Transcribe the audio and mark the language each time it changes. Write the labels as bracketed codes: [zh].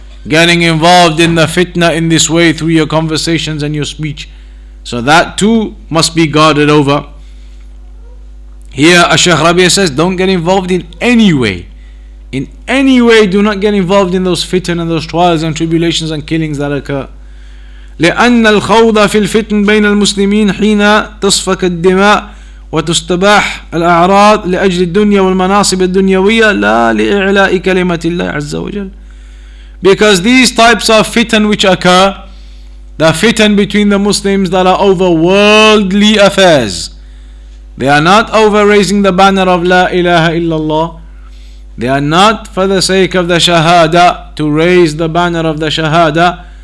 [en] Getting involved in the fitna in this way through your conversations and your speech. So that too must be guarded over. Here, Ash-Shaykh Rabi says, don't get involved in any way. In any way, do not get involved in those fitna and those trials and tribulations and killings that occur. [ar] لأن الخوض في الفتن بين المسلمين حين تصفك الدماء وتستباح الأعراض لأجل الدنيا والمناصب الدنيوية لا لإعلاء كلمة الله عز وجل. [en] Because these types of fitan which occur, the fitan between the Muslims that are over worldly affairs, they are not over raising the banner of [ar] لا إله إلا الله. [en] They are not for the sake of the shahada, to raise the banner of the shahada.